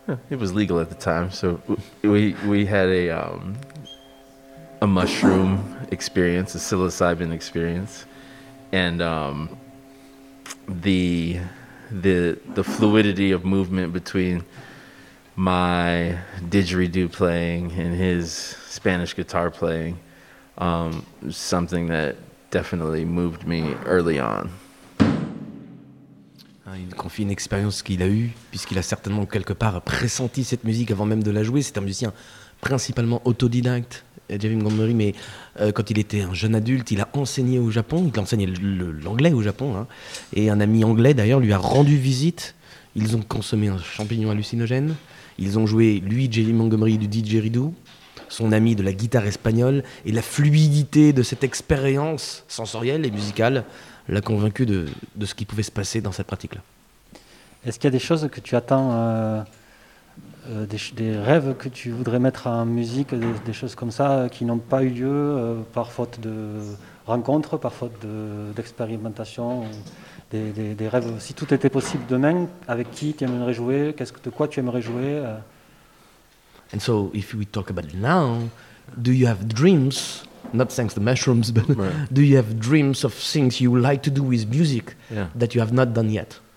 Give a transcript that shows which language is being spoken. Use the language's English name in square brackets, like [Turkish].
[English] it was legal at the time, so we had a mushroom experience, a psilocybin experience, and the fluidity of movement between my didgeridoo playing and his Spanish guitar playing, something that definitely moved me early on. [French] Il confie une expérience qu'il a eue, puisqu'il a certainement quelque part pressenti cette musique avant même de la jouer. C'est un musicien principalement autodidacte, J.V. Montgomery, mais quand il était un jeune adulte, il a enseigné au Japon, il enseignait l'anglais au Japon, hein. Et un ami anglais d'ailleurs lui a rendu visite, ils ont consommé un champignon hallucinogène, ils ont joué, lui, J.V. Montgomery, du didgeridoo, son ami de la guitare espagnole, et la fluidité de cette expérience sensorielle et musicale l'a convaincu de ce qui pouvait se passer dans cette pratique-là. Est-ce qu'il y a des choses que tu attends, des rêves que tu voudrais mettre en musique, des choses comme ça qui n'ont pas eu lieu par faute de rencontres, par faute d'expérimentation, des rêves, si tout était possible demain, avec qui tu aimerais jouer, de quoi tu aimerais jouer [English] And so, if we talk about now, do you have dreams? Not thanks to mushrooms, but right. Do you have dreams of things you like to do with music that you have not done yet?